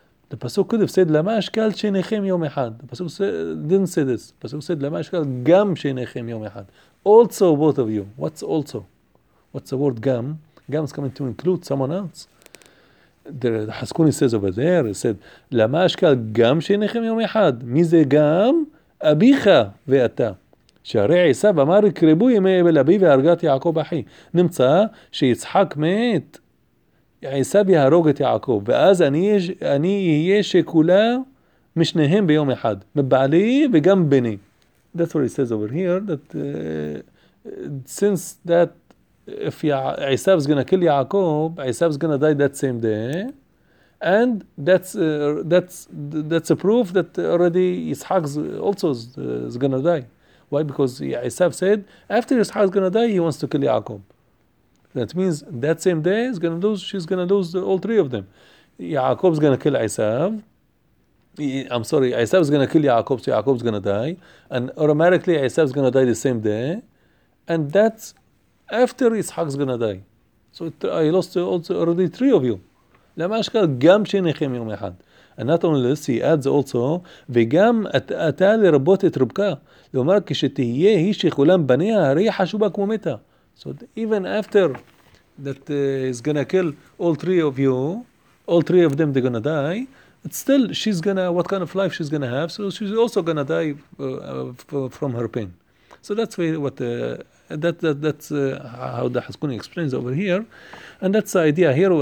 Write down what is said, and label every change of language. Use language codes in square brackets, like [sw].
[en] The pasuk could have said [he] lama ashkal sheinechem yom echad. [en] The pasuk didn't say this. The pasuk said [he] lama ashkal gam sheinechem yom echad. [en] Also both of you. What's also? What's the word gam? Gam is coming to include someone else. The Haskuni says over there, it said [he] lama ashkal gam sheinechem yom echad. Mize gam abicha ve'ata. שהרי עשיו אמר יקרבו ימי אבל אבי והרגת יעקב אחי. נמצא שיצחק מת, עשיו יהרוג את יעקב, ואז אני אהיה שכולה משניהם ביום אחד, מבעלי וגם בני. [en] That's what he says over here, that since that if עשיו is going to kill יעקב, עשיו is going to die that same day, and that's a proof that already יצחק also is going to die. Why? Because Esav said, after Yitzchak is going to die, he wants to kill Yaakov. That means that same day, she's going to lose all three of them. Yaakov is going to kill Esav. I'm sorry, Esav is going to kill Yaakov, so Yaakov is going to die. And automatically, Esav is going to die the same day. And that's after Yitzchak is going to die. So I lost also already three of you. [he] Lama ashkal gam sheinechem yom echad. [en] And not only this, he adds also, [he] וגם אתה לרבות את רבקה, לומר כשתהיה היא שכולם בניה, הרי חשובה כמו מתה. [en] So even after that is going to kill all three of you, all three of them, they're going to die, but still she's going to, what kind of life she's going to have, so she's also going to die from her pain. So that's what that's how the Haskuni explains over here, and that's the idea here.